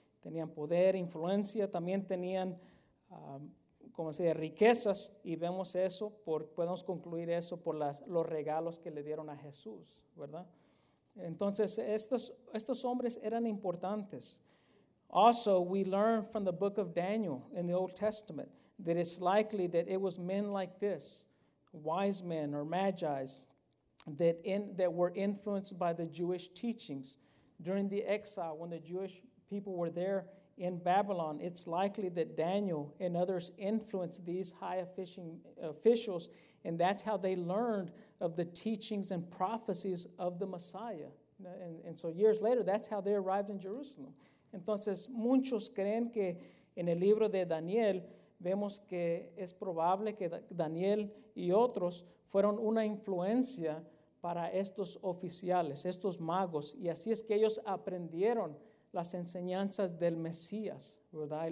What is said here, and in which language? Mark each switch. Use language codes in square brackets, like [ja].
[es] Tenían poder, influencia, también tenían, como se dice, riquezas. Y vemos eso, podemos concluir eso por los regalos que le dieron a Jesús, ¿verdad? Entonces, estos hombres eran importantes. [en] Also, we learn from the book of Daniel in the Old Testament that it's likely that it was men like this, wise men or magi, that were influenced by the Jewish teachings. During the exile, when the Jewish people were there in Babylon, it's likely that Daniel and others influenced these high officials, and that's how they learned of the teachings and prophecies of the Messiah. And so years later, that's how they arrived in Jerusalem. [es] Entonces, muchos creen que en el libro de Daniel vemos que es probable que Daniel y otros fueron una influencia para estos oficiales, estos magos, y así es que ellos aprendieron las enseñanzas del Mesías, ¿verdad?